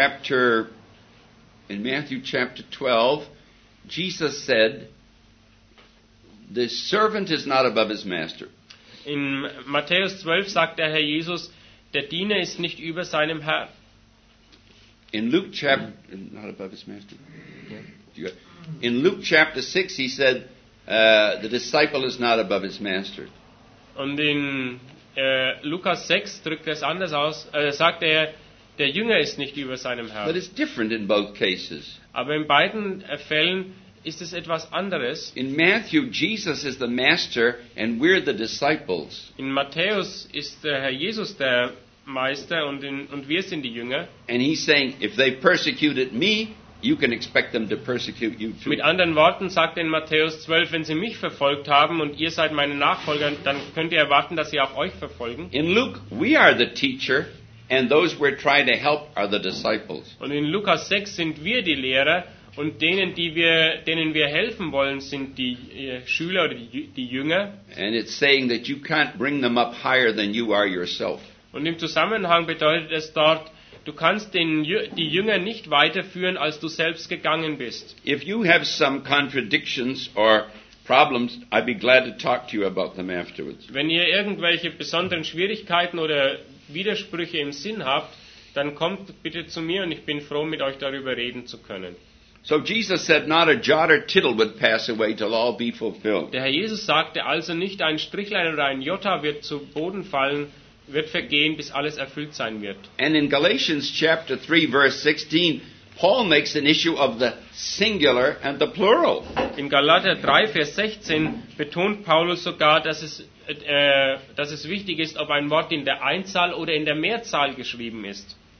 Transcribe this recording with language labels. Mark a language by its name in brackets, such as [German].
[English] In Matthew chapter 12, Jesus said, "The servant is not above his master." [German] In Matthäus 12 sagt der Herr Jesus, der Diener ist nicht über seinem Herrn. [English] In Luke chapter 6, he said, "The disciple is not above his master." [German] Und in Lukas 6 drückt es anders aus. Sagt er, der Jünger ist nicht über seinem Herrn. [English] But it's different in both cases. [German] Aber in beiden Fällen ist es etwas anderes. [English] In Matthew, Jesus is the master, and we're the disciples. [German] In Matthäus ist der Herr Jesus der Meister und wir sind die Jünger. [English] And he's saying, if they persecuted me, you can expect them to persecute you too. [German] Mit anderen Worten sagt er in Matthäus 12, wenn sie mich verfolgt haben und ihr seid meine Nachfolger, dann könnt ihr erwarten, dass sie auch euch verfolgen. [English] In Luke, we are the teacher, and those we're trying to help are the disciples. [German] Und in Lukas 6 sind wir die Lehrer. Und denen wir helfen wollen, sind die Schüler oder die Jünger. [English] And it's saying that you can't bring them up higher than you are yourself. [German] Und im Zusammenhang bedeutet es dort, du kannst die Jünger nicht weiterführen, als du selbst gegangen bist. [English] If you have some contradictions or problems, I'd be glad to talk to you about them afterwards. [German] Wenn ihr irgendwelche besonderen Schwierigkeiten oder Widersprüche im Sinn habt, dann kommt bitte zu mir und ich bin froh, mit euch darüber reden zu können. [English] So Jesus said, not a jot or tittle would pass away till all be fulfilled. [German] Der Herr Jesus sagte also, nicht ein Strichlein oder ein Jota wird zu Boden fallen, wird vergehen, bis alles erfüllt sein wird. [English] And in Galatians chapter 3, verse 16, Paul makes an issue of the singular and the plural. [German] In Galater 3, Vers 16 betont Paulus sogar, dass es wichtig ist, ob ein Wort in der Einzahl oder in der Mehrzahl geschrieben ist.